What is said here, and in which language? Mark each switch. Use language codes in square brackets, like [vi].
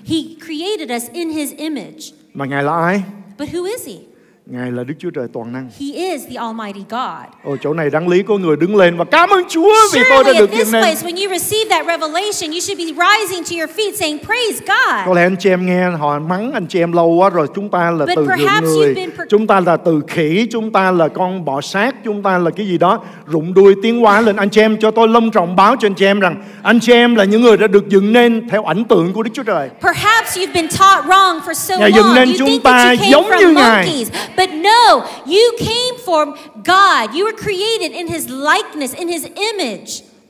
[en] He created us in his image. [vi] Mà Ngài là ai? [en] But who is he? [vi] Ngài là Đức Chúa Trời toàn năng. [en] He is the Almighty God. [vi] Ồ, chỗ này đáng lý có người đứng lên và cảm ơn Chúa vì tôi đã được dựng nên. [en] Surely at this place, when you receive that revelation, you should be rising to your feet saying, "Praise God." [vi] Có lẽ anh chị em nghe họ mắng anh chị em lâu quá rồi. Chúng ta là từ dựng người. Chúng ta là từ khỉ. Chúng ta là con bò sát. Chúng ta là cái gì đó rụng đuôi tiến hóa lên. Anh chị em cho tôi long trọng báo cho anh chị em rằng anh chị em là những người đã được dựng nên theo ảnh tượng của Đức Chúa Trời. [en] Perhaps you've been taught wrong for so long. [vi] Ngài dựng nên chúng ta giống như Ngài. [en] But no, you came from God. You were created in his likeness, in his image.